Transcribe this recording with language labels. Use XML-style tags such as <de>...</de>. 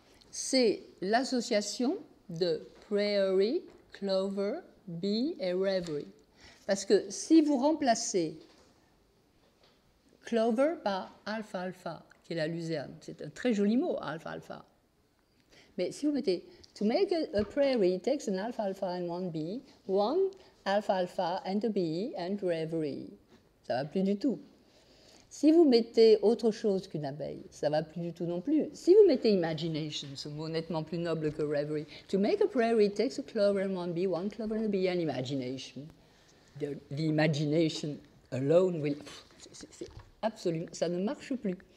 <fr>C'est l'association de « prairie »,« clover », Be et reverie. Parce que si vous remplacez clover par alfalfa, qui est la luzerne, c'est un très joli mot, alfalfa. Mais si vous mettez</fr> <en>To make a prairie takes an alpha alpha and one B, one alpha alpha and a B and bravery.</en> <fr>Ça va plus du tout. Si vous mettez autre chose qu'une abeille, ça va plus du tout non plus. Si vous mettez imagination, ce mot nettement plus noble que reverie,</fr> <en>to make a prairie takes a clover and one bee, one clover and a bee and imagination. The imagination alone will...</en> <fr>C'est absolument, ça ne marche plus.</fr>